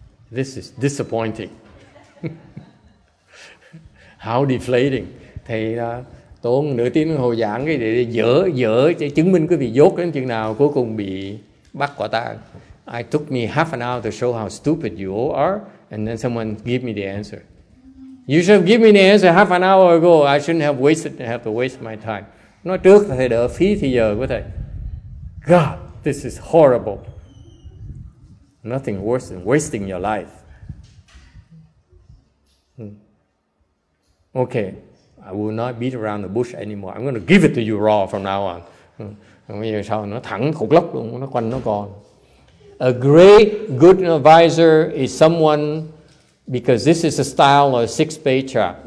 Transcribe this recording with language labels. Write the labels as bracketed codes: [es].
[en] This is disappointing. How deflating. [vi] Thầy đó. Tốn nửa tiếng hồi giảng cái để dỡ để chứng minh quý vị dốt đến chừng nào cuối cùng bị bắt quả tang. [en] I took me half an hour to show how stupid you all are, and then someone give me the answer. You should have given me the answer half an hour ago. I shouldn't have to waste my time. [vi] Nói trước thầy đỡ phí thì giờ của thầy. [en] God, this is horrible. Nothing worse than wasting your life. Okay. I will not beat around the bush anymore. I'm going to give it to you raw from now on. [vi] Bây giờ sao nó thẳng khục lốc luôn, nó quanh nó còn. [en] A great good advisor is someone, because this is the style of six patriarch.